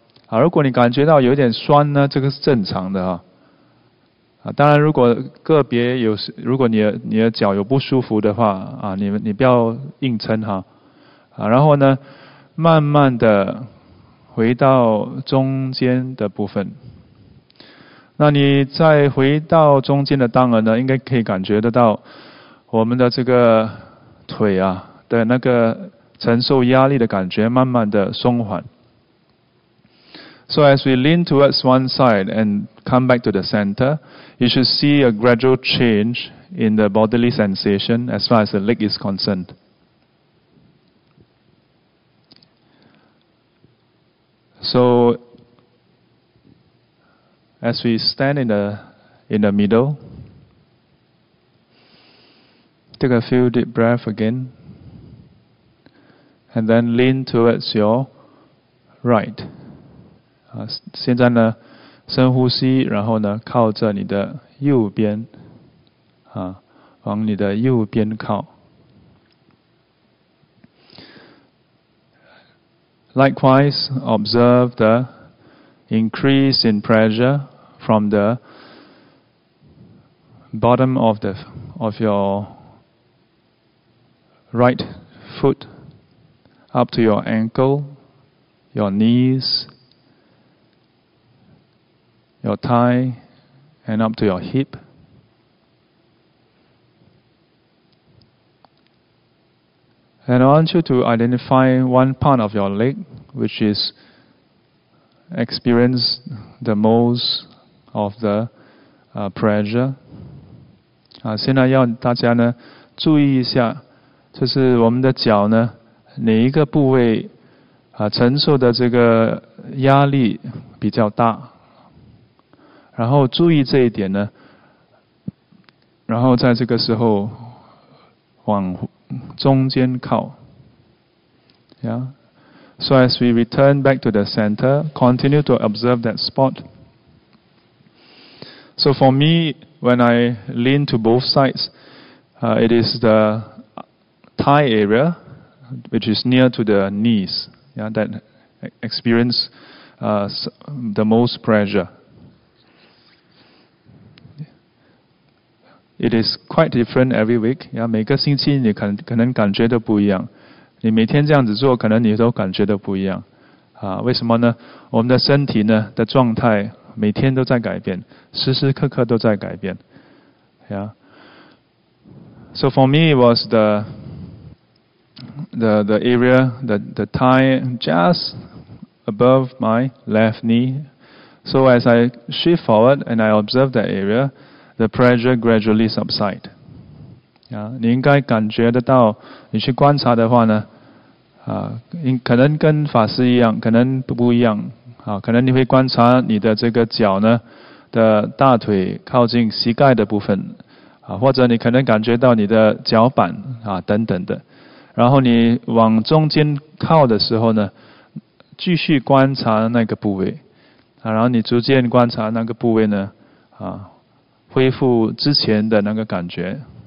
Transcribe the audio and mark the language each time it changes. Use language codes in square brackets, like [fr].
[zh] 啊，如果你感觉到有点酸呢，这个是正常的哈。啊，当然，如果个别有，如果你的脚有不舒服的话，啊，你不要硬撑哈，啊，然后呢，慢慢的回到中间的部分。那你在回到中间的当儿呢，应该可以感觉得到我们的这个腿啊的那个承受压力的感觉，慢慢的松缓。 [en] So as we lean towards one side and come back to the center, you should see a gradual change in the bodily sensation as far as the leg is concerned. So as we stand in the middle, take a few deep breaths again, and then lean towards your right. [zh] 现在呢，深呼吸，然后呢，靠着你的右边，啊，往你的右边靠。 [en] Likewise, observe the increase in pressure from the bottom of your right foot up to your ankle, your knees. Your thigh and up to your hip. And I want you to identify one part of your leg which is experienced the most of the pressure. [zh] 啊，现在要大家呢注意一下，就是我们的脚呢哪一个部位啊承受的这个压力比较大。然后注意这一点呢，然后在这个时候往中间靠。 [en] Yeah. So as we return back to the center, continue to observe that spot. So for me, when I lean to both sides, it is the thigh area, which is near to the knees, yeah, that experience the most pressure. It is quite different every week. Yeah, [zh] 每个星期你可能感觉都不一样。你每天这样子做，可能你都感觉都不一样。啊，为什么呢？我们的身体呢的状态每天都在改变，时时刻刻都在改变。 [en] Yeah. So for me, it was the area, the thigh just above my left knee. So as I shift forward and I observe that area.The pressure gradually subsides. [zh] 啊，你应该感觉得到，你去观察的话呢，啊，可能跟法师一样，可能不一样，啊，可能你会观察你的这个脚呢的大腿靠近膝盖的部分，啊，或者你可能感觉到你的脚板啊等等的，然后你往中间靠的时候呢，继续观察那个部位，啊，然后你逐渐观察那个部位呢，啊，恢复之前的那个感觉。